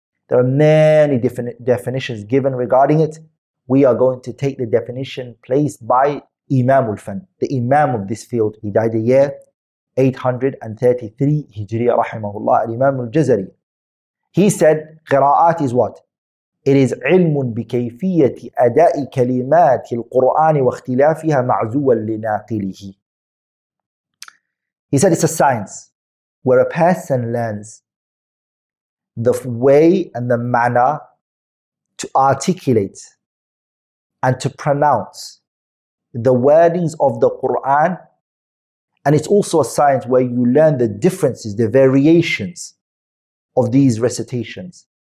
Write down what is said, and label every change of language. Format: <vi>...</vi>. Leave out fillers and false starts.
<en>There are many definitions given regarding it. We are going to take the definition placed by Imam al-Fan, the Imam of this field. He died the year 833 Hijriya rahimahullah, al-Imam al-Jazari. He said, قراءات is what?</en> <ar>It is علم بكيفية أداء كلمات القرآن واختلافها معزوا لناقله.</ar> <en>He said, it's a science where a person learns the way and the manner to articulate and to pronounce the wordings of the Qur'an, and it's also a science where you learn the differences, the variations of these recitations.</en>